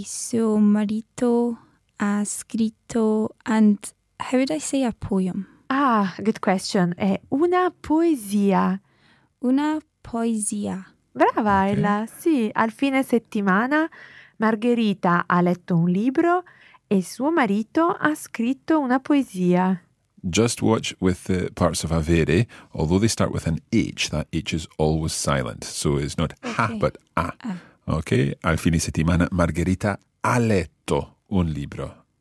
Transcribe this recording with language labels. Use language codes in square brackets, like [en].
[it] e suo marito ha scritto [en] and how would I say a poem? Ah, good question. [it] È una poesia. Una poesia. Brava Ella, okay. sì. Al fine settimana Margherita ha letto un libro e suo marito ha scritto una poesia. [en] Just watch with the parts of avere, although they start with an H, that H is always silent. So it's not ha, okay. but a. [it] Okay, al fine settimana Margherita ha letto un libro.